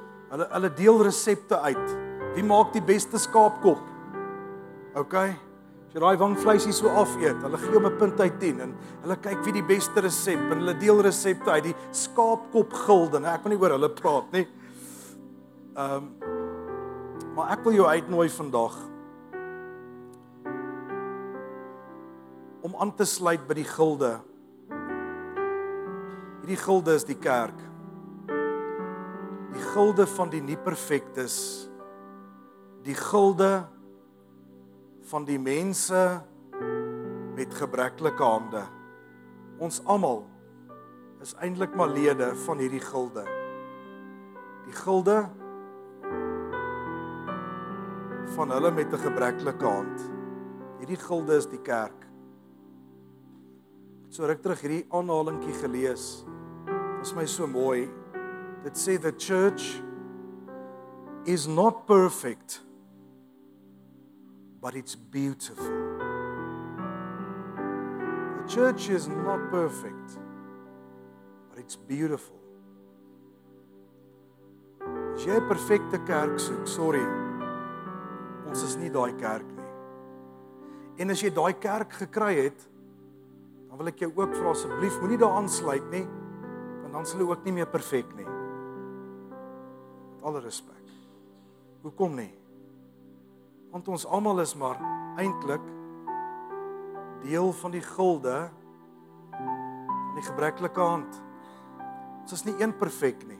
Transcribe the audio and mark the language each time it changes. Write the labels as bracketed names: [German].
[Afrikaans] Hulle deel resepte uit. Wie maak die beste skaapkop? OK? As jy daai wang vleisie so af eet, hulle gee hom 'n punt uit 10 en hulle kyk wie die beste resep, en hulle deel resepte uit, die skaapkop gilde. Nou, ek wil nie oor hulle praat nie. Maar ek wil jou uitnooi vandag om aan te sluit by die gilde. Hierdie gilde is die kerk. Die gilde van die nie perfektes. Die gilde van die mense met gebreklike hande. Ons almal is eintlik maar lede van hierdie gilde. Die gilde van hulle met 'n gebreklike hand. Hierdie gilde is die kerk. So ruk terug hierdie aanhalingkie gelees. Dit is my so mooi. Dit sê, [English] the church is not perfect, but it's beautiful. The church is not perfect, but it's beautiful. [Afrikaans] As jy 'n perfekte kerk soek, sorry, ons is nie daai kerk nie. En as jy daai kerk gekry het, dan wil ek jou ook vra, asseblief, moenie daar aansluit nie, want dan sal jy ook nie meer perfek nie. alle respect. Hoekom nie? Want ons allemaal is maar eindelijk deel van die gulde van die gebrekkelijke hand. Ons is nie een perfect nie.